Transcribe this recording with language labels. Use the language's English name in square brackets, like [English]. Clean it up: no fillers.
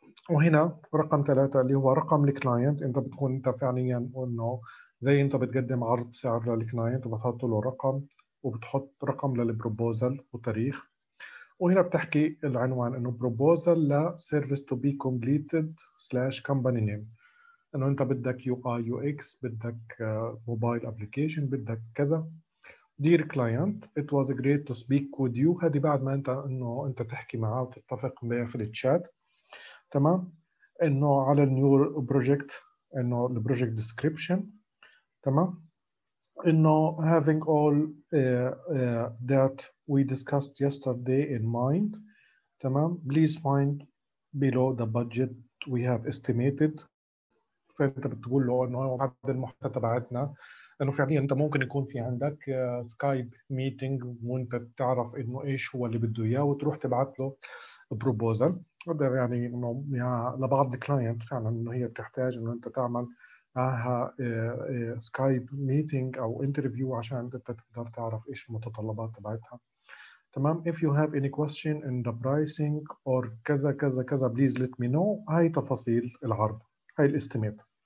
[Arabic] وهنا رقم ثلاثة اللي هو رقم الكلاينت، انت بتكون انت فعليا انه زي انت بتقدم عرض سعر للكلاينت وبتحط له رقم وبتحط رقم للبروبوزل وتاريخ. وهنا بتحكي العنوان انه [English] proposal لا service to be completed slash company name, [Arabic] انه انت بدك يو اي يو اكس، بدك موبايل ابلكيشن، بدك كذا. [English] Dear client, it was great to speak with you. [Arabic] هذه بعد ما انت انه انت تحكي معه وتتفق معه في الشات، تمام، انه على النيو بروجكت، انه البروجكت ديسكريبشن، تمام، انه [English] having all that we discussed yesterday in mind، [Arabic] تمام، [English] please find below the budget we have estimated. [Arabic] فانت بتقول له انه هذا المحتوى تبعتنا، انه فعليا انت ممكن يكون في عندك سكايب ميتنج وانت تعرف انه ايش هو اللي بده اياه وتروح تبعت له بروبوزل. هذا يعني انه لبعض الكلاينت فعلا انه هي بتحتاج انه انت تعمل معها سكايب ميتنج او انترفيو عشان انت تقدر تعرف ايش المتطلبات تبعتها، تمام. [English] if you have any question in the pricing or [Arabic] كذا كذا كذا [English] please let me know. [Arabic] هاي تفاصيل العرض، هاي الاستيميت.